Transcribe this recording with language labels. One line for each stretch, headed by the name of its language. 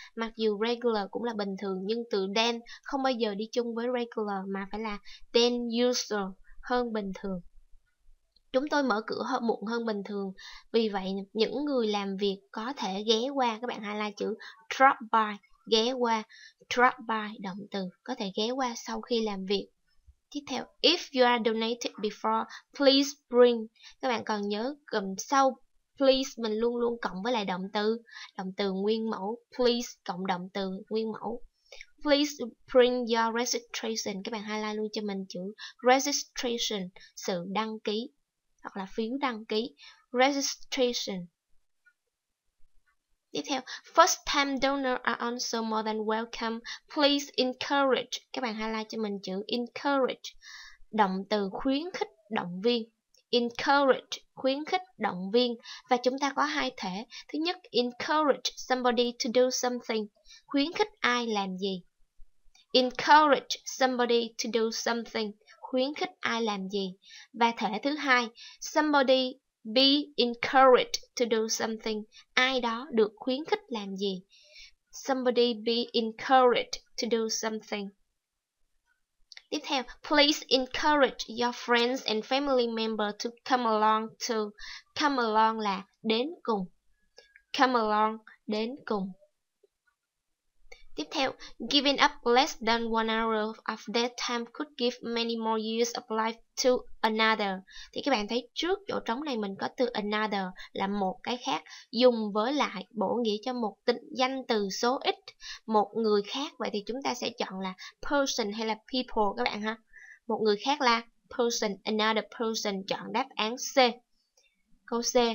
Vietnamese: Mặc dù regular cũng là bình thường, nhưng từ than không bao giờ đi chung với regular, mà phải là
English: than usual,
Vietnamese: hơn bình thường. Chúng tôi mở cửa muộn hơn bình thường, vì vậy những người làm việc có thể ghé qua. Các bạn highlight chữ drop by, ghé qua.
English: Drop by,
Vietnamese: động từ, có thể ghé qua sau khi làm việc. Tiếp theo,
English: if you are donated before, please bring.
Vietnamese: Các bạn còn nhớ cầm sau please, mình luôn luôn cộng với lại động từ, động từ nguyên mẫu.
English: Please
Vietnamese: cộng động từ nguyên mẫu.
English: Please bring your registration. Các bạn highlight luôn cho mình chữ registration, sự đăng ký hoặc là phiếu đăng ký. Registration.
Vietnamese: Tiếp theo,
English: first time donors are also more than welcome. Please encourage.
Vietnamese: Các bạn highlight cho mình chữ encourage, động từ khuyến khích, động viên. Encourage, khuyến khích, động viên. Và chúng ta có hai thể. Thứ nhất,
English: encourage somebody to do something,
Vietnamese: khuyến khích ai làm gì.
English: Encourage somebody to do something,
Vietnamese: khuyến khích ai làm gì. Và thể thứ hai,
English: somebody be encouraged to do something,
Vietnamese: ai đó được khuyến khích làm gì.
English: Somebody be encouraged to do something.
Vietnamese: Tiếp theo,
English: please encourage your friends and family member to come along to. Come along
Vietnamese: là đến cùng. Come along, đến cùng. Tiếp theo,
English: giving up less than 1 hour of their time could give many more years of life to another.
Vietnamese: Thì các bạn thấy trước chỗ trống này mình có từ another là một cái khác, dùng với lại bổ nghĩa cho một tính danh từ số ít, một người khác. Vậy thì chúng ta sẽ chọn là person hay là people các bạn ha. Một người khác là person,
English: another person,
Vietnamese: chọn đáp án C. Câu C.